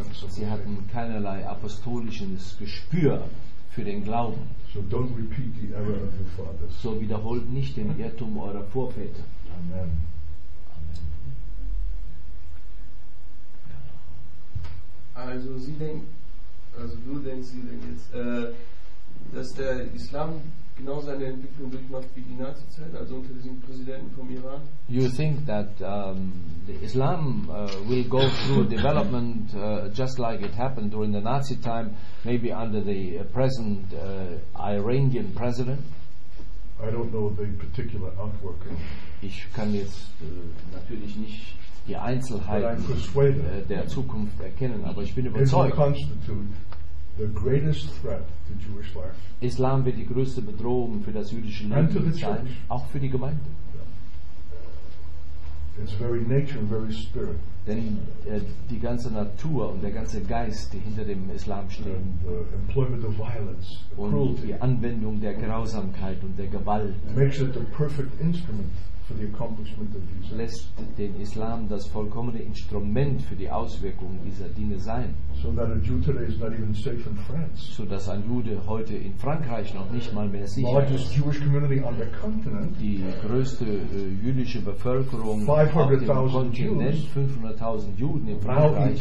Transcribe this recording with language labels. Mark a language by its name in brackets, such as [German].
[German] Sie hatten keinerlei apostolisches Gespür für den Glauben. [English] So, don't repeat the error of your fathers. [German] So wiederholt nicht den Irrtum eurer Vorväter. Amen. Also Sie denken, also du denkst, Sie denken jetzt, dass der Islam genau seine Entwicklung durchmacht wie die Nazi-Zeit, also unter diesem Präsidenten vom Iran. [English] You think that the Islam will go through development just like it happened during the Nazi time, maybe under the present Iranian president? I don't know the particular outworking. [German] Ich kann jetzt natürlich nicht die Einzelheiten der Zukunft erkennen, aber ich bin überzeugt. [English] The greatest threat to Jewish life. [German] Islam wird die größte Bedrohung für das jüdische Leben sein, auch für die Gemeinde. [English] Yeah. It's very nature and very spirit. [German] Denn die ganze Natur und der ganze Geist, die hinter dem Islam stehen, [English] and the employment of violence, the [German] und [English] cruelty, [German] die Anwendung der Grausamkeit und der Gewalt, [English] makes it the perfect instrument for the accomplishment of these things. [German] Lässt den Islam das vollkommene Instrument für die Auswirkungen dieser Dinge sein. [English] So that a Jew today is not even safe in France. [German] So dass ein Jude heute in Frankreich noch nicht mal mehr sicher ist. [English] The largest Jewish community on the continent. [German] Die größte jüdische Bevölkerung auf dem Kontinent, 500.000 Juden in Frankreich,